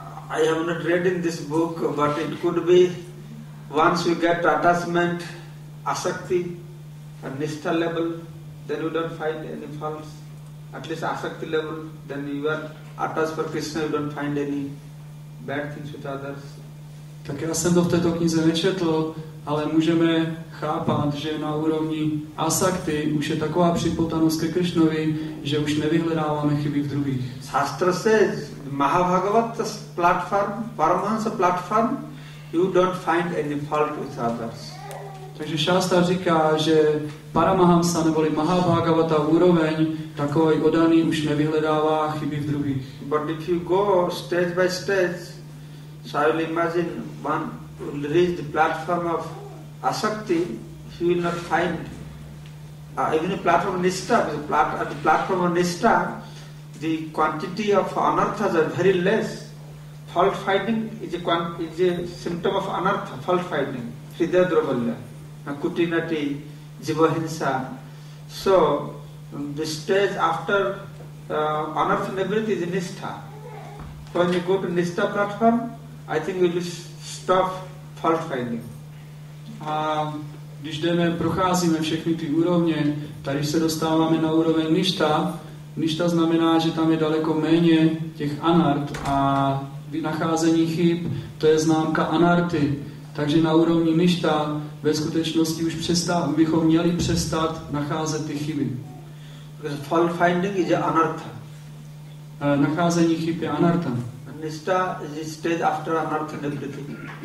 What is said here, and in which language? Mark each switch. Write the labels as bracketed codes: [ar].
[en] I have not read in this book, but it could be once we get attachment, asakti, at nishtha level, then you don't find any faults. At least asakti level, then you are attached for Krishna, you don't find any bad things with others. [cs] Tak já jsem to v této knize nečetl, ale můžeme chápat, že na úrovni asakti už je taková připoutanost ke Krishnovi, že už nevyhledáváme chyby v druhých. [en] Shastra says, Mahabhagavata's platform, Paramahansa platform, you don't find any fault with others. [cs] Takže Shastra říká, že Paramahamsa neboli Mahabhagavata úroveň takový odaný už nevyhledává chyby v druhých. [en] But if you go stage by stage, so I will imagine one will reach the platform of asakti, he will not find even a platform of nishtha, the platform of nishtha, the quantity of anarthas are very less. Fault finding is a symptom of anartha, fault finding, hridaya durvalya, kutinati, jivahinsa. So the stage after anartha nivritti is nishtha. When you go to nishtha platform, I think we'll stop fault finding. [cs] A když jdeme, procházíme všechny ty úrovně, tady se dostáváme na úroveň nishtha. Nishtha znamená, že tam je daleko méně těch anart a vynacházení chyb, to je známka anarty. Takže na úrovni nishtha ve skutečnosti už bychom měli přestat nacházet ty chyby. [en] Because fault finding is anartha. [cs] Nacházení chyb je anarta. [en] Nishtha is the stage after anartha nivritti.